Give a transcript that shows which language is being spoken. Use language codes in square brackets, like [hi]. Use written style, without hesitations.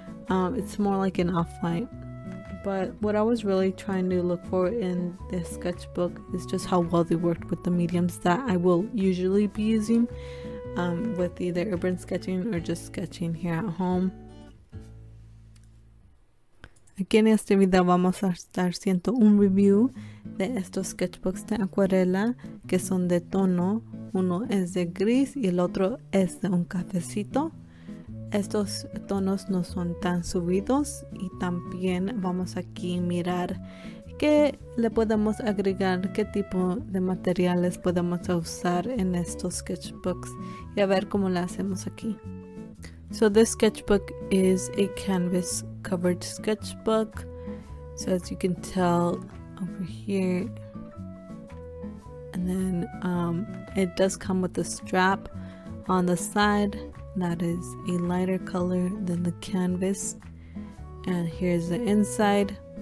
[en] It's more like an off-white. But what I was really trying to look for in this sketchbook is just how well they worked with the mediums that I will usually be using, with either urban sketching or just sketching here at home. [es] Aquí en este video vamos a estar haciendo un review de estos sketchbooks de acuarela que son de tono. Uno es de gris y el otro es de un cafecito. Estos tonos no son tan subidos y también vamos aquí a mirar qué le podemos agregar, qué tipo de materiales podemos usar en estos sketchbooks y a ver cómo la hacemos aquí. [en] So this sketchbook is a canvas covered sketchbook. So as you can tell over here, and then it does come with a strap on the side that is a lighter color than the canvas, and here's the inside.